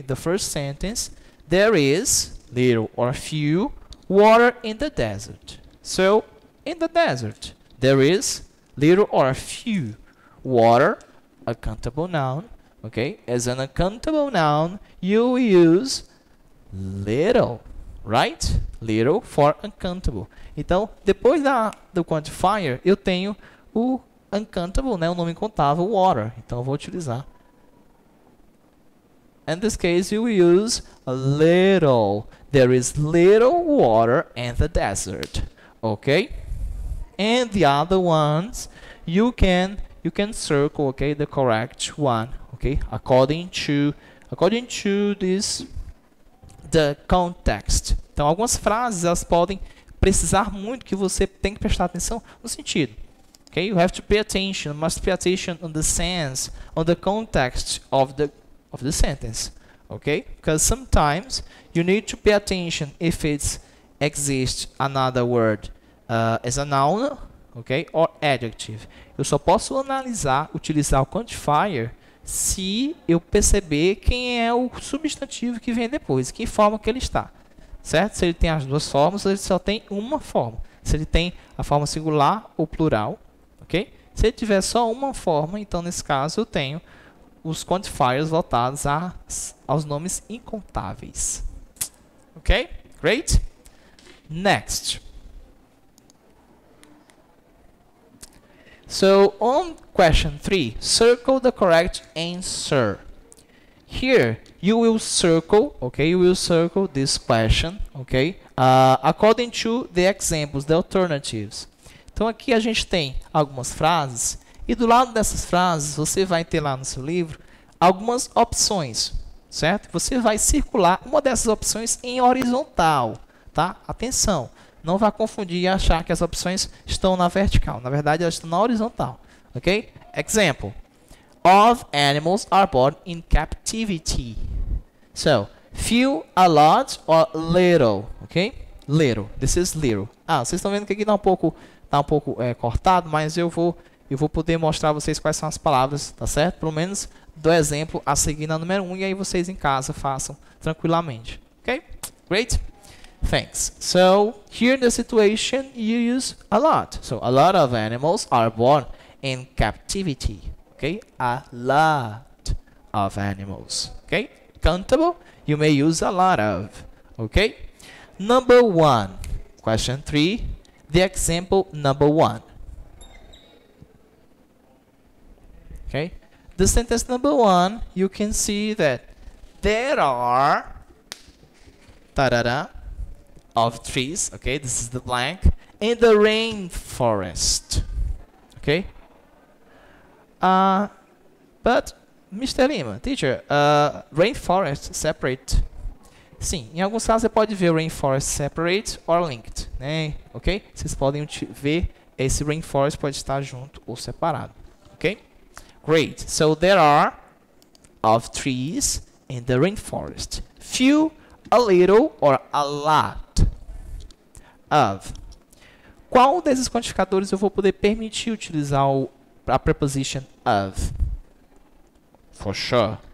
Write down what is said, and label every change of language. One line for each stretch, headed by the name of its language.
English: The first sentence, there is little or few water in the desert. So, in the desert, there is little or few water, a countable noun. Okay, as an uncountable noun, you use little, right? Little for uncountable.
Portuguese: Então, depois do quantifier, eu tenho o uncountable, né? O nome incontável, water. Então, eu vou utilizar.
English: In this case, you use little. There is little water in the desert. Okay? And the other ones, you can circle, okay, the correct one, okay? According to this, the context.
Portuguese: Então, algumas frases, elas podem precisar muito que você tem que prestar atenção no sentido.
English: Okay? You have to pay attention, must pay attention on the sense, on the context of the sentence. Okay? Because sometimes you need to pay attention if it exists another word as a noun, okay, or adjective.
Portuguese: Eu só posso analisar, utilizar o quantifier se eu perceber quem é o substantivo que vem depois, que forma que ele está. Certo? Se ele tem as duas formas, ele só tem uma forma. Se ele tem a forma singular ou plural, okay? Se ele tiver só uma forma, então nesse caso eu tenho os quantifiers voltados aos nomes incontáveis.
English: Ok? Great? Next. So, on question 3, circle the correct answer. Here, you will circle, okay, you will circle this question, okay, according to the examples, the alternatives.
Portuguese: Então, aqui a gente tem algumas frases, e do lado dessas frases, você vai ter lá no seu livro algumas opções, certo? Você vai circular uma dessas opções em horizontal, tá? Atenção, não vá confundir e achar que as opções estão na vertical. Na verdade, elas estão na horizontal,
English: ok? Example. All animals are born in captivity. So, few, a lot, or little, ok? Little, this is little.
Portuguese: Ah, vocês estão vendo que aqui tá um pouco cortado, mas eu vou poder mostrar a vocês quais são as palavras, tá certo? Pelo menos do exemplo a seguir na número 1 e aí vocês em casa façam tranquilamente.
English: Ok? Great? Thanks. So, here in the situation, you use a lot. So, a lot of animals are born in captivity. Ok? A lot of animals. Ok? Countable, you may use a lot of. Ok? Number 1. Question 3. The example number 1. Okay, the sentence number one, you can see that there are of trees, okay, this is the blank, in the rainforest, okay? But, Mr. Lima, teacher, rainforest separate?
Portuguese: Sim, em alguns casos você pode ver rainforest
English: separate or linked,
Portuguese: né? Okay? Vocês podem ver esse rainforest pode estar junto ou separado, okay?
English: Great. So, there are of trees in the rainforest. Few, a little, or a lot of.
Portuguese: Qual desses quantificadores eu vou poder permitir utilizar a preposition of?
English: For sure.